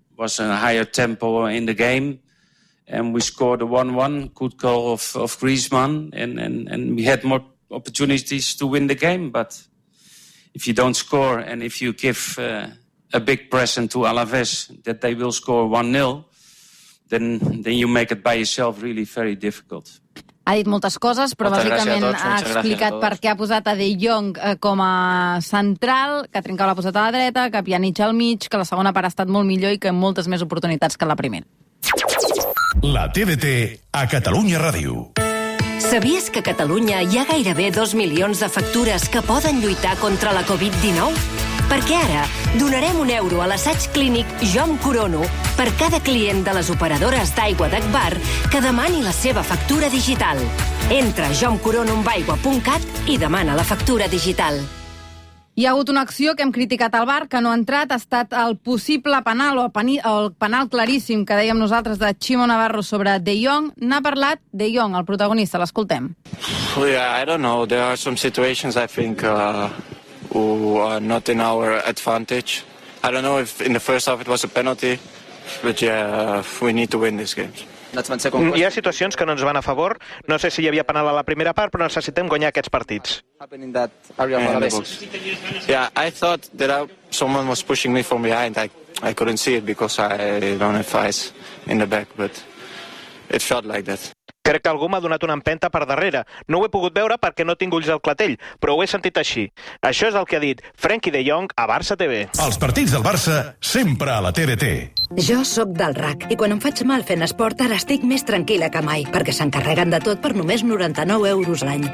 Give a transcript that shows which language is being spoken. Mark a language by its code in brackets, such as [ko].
[en] Was a higher tempo in the game, and we scored a 1-1, good goal of Griezmann, and we had more opportunities to win the game. But if you don't score, and if you give a big present to Alaves that they will score 1-0, then you make it by yourself really very difficult. [ca] Ha dit moltes coses, però bàsicament ha explicat per què ha posat a De Jong com a central, que Trincao l'ha posat a la dreta, que Pjanic al mig, que la segona part ha estat molt millor i que moltes més oportunitats que la primera. La TDT a Catalunya Ràdio. Sabies que a Catalunya hi ha gairebé 2 milions de factures que poden lluitar contra la Covid-19? Perquè ara donarem 1 euro a l'assaig clínic Jo em corono per cada client de les operadores d'aigua d'Agbar que demani la seva factura digital. Entra a jomcoronoambaigua.cat i demana la factura digital. Hi ha hagut una acció que hem criticat al VAR, que no ha entrat, ha estat el possible penal o el penal claríssim que dèiem nosaltres de Ximo Navarro sobre De Jong. N'ha parlat De Jong, el protagonista, l'escoltem. [en] Well, yeah, I don't know, there are some situations I think who are not in our advantage. I don't know if in the first half it was a penalty, but yeah, we need to win this game. [ca] Hi ha situacions que no ens van a favor. No sé si hi havia penal a la primera part, però necessitem guanyar aquests partits. [en] Yeah, I thought that someone was pushing me from behind. I couldn't see it because I don't have eyes in the back, but it felt like that. [ca] Crec que algú m'ha donat una empenta per darrere. No ho he pogut veure perquè no tinc ulls al clatell, però ho he sentit així. Això és el que ha dit Frenkie de Jong a Barça TV. Els partits del Barça sempre a la TDT. Jo sóc del RAC i quan em faig mal fent esport ara estic més tranquil·la que mai perquè s'encarreguen de tot per només 99 euros l'any.